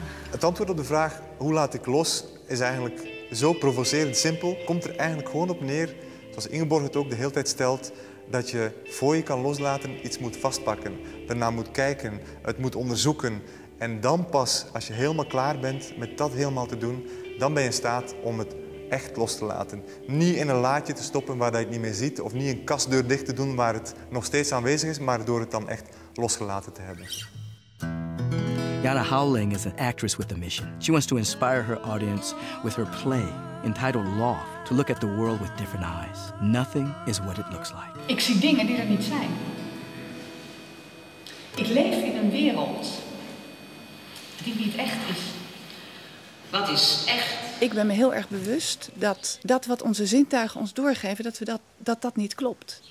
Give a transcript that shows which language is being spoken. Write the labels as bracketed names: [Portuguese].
[Dutch] Het antwoord op de vraag hoe laat ik los, is eigenlijk... Zo provocerend simpel komt er eigenlijk gewoon op neer, zoals Ingeborg het ook de hele tijd stelt, dat je voor je kan loslaten iets moet vastpakken, daarna moet kijken, het moet onderzoeken. En dan pas, als je helemaal klaar bent met dat helemaal te doen, dan ben je in staat om het echt los te laten. Niet in een laadje te stoppen waar je het niet meer ziet, of niet een kastdeur dicht te doen waar het nog steeds aanwezig is, maar door het dan echt losgelaten te hebben. [English] Yana Howling is an actress with a mission. She wants to inspire her audience with her play, entitled Law, to look at the world with different eyes. Nothing is what it looks like. [Dutch] Ik zie dingen die er niet zijn. Ik leef in een wereld die niet echt is. Wat is echt? Ik ben me heel erg bewust dat wat onze zintuigen ons doorgeven, dat niet klopt.